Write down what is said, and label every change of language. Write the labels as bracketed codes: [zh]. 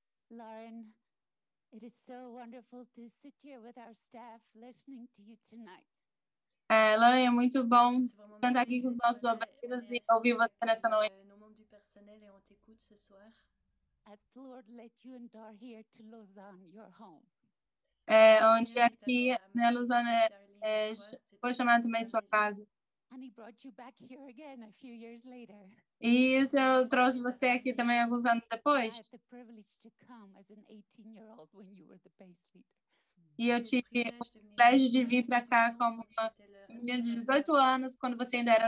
[en] Lauren, it is so wonderful to sit here with our staff listening to you tonight. [pt] É, Lauren, é muito bom estar aqui com os nossos obreiros e ouvir você nessa noite. No nome do [fr] personnel, on t'écoute ce soir. [en] As the Lord led you and Dar here to Lausanne, your home. [pt] É, onde aqui, né, Lausanne, foi chamada também sua casa. [en] And he brought you back here again a few years later. [pt] E isso, eu trouxe você aqui também alguns anos depois. [en] I had the privilege to come as an 18-year-old when you were the base leader. [pt] E eu tive o privilégio de vir para cá como uma menina de 18 anos, quando você ainda era